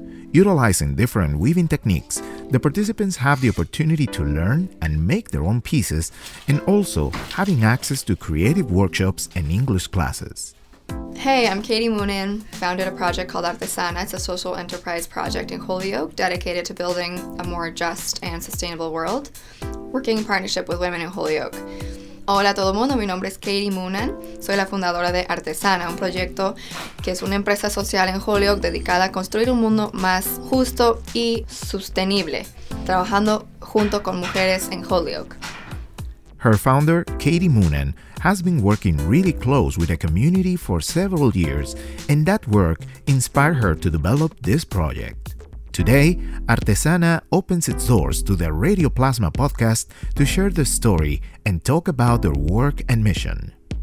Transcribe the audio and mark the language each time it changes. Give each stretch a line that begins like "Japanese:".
English: Utilizing different weaving techniques, the participants have the opportunity to learn and make their own pieces and also having access to creative workshops and English classes. Hey, I'm Katie Moonan, founded a project called Artesana. It's a social enterprise project in Holyoke dedicated to building a more just and sustainable world, working in partnership with women in Holyoke.
Spanish: Hola a todo el mundo, mi nombre es Katie Moonan. Soy la fundadora de Artesana, un proyecto que es una empresa social en Holyoke dedicada a construir un mundo más justo y sostenible, trabajando junto con mujeres en Holyoke.
English: Her founder, Katie Moonan, has been working really close with the community for several years, and that work inspired her to develop this project. Today, Artesana opens its doors to the Radio Plasma podcast to share the story and talk about their work and mission.